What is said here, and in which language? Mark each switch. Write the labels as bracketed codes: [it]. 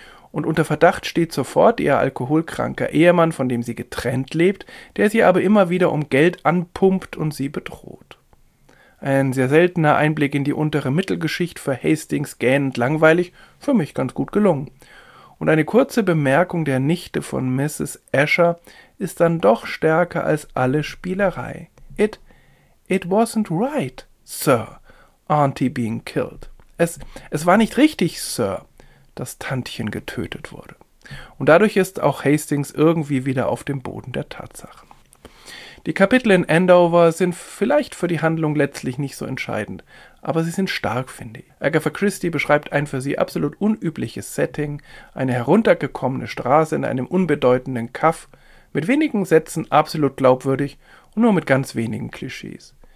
[de] Und unter Verdacht steht sofort ihr alkoholkranker Ehemann, von dem sie getrennt lebt, der sie aber immer wieder um Geld anpumpt und sie bedroht. Ein sehr seltener Einblick in die untere Mittelschicht für Hastings, gähnend langweilig, für mich ganz gut gelungen. Und eine kurze Bemerkung der Nichte von Mrs. Asher ist dann doch stärker als alle Spielerei. [en] It wasn't right, Sir, Auntie being killed. [de] Es war nicht richtig, Sir, dass Tantchen getötet wurde. Und dadurch ist auch Hastings irgendwie wieder auf dem Boden der Tatsachen. Die Kapitel in Andover sind vielleicht für die Handlung letztlich nicht so entscheidend, aber sie sind stark, finde ich. Agatha Christie beschreibt ein für sie absolut unübliches Setting, eine heruntergekommene Straße in einem unbedeutenden Kaff, mit wenigen Sätzen absolut glaubwürdig und nur mit ganz wenigen Klischees.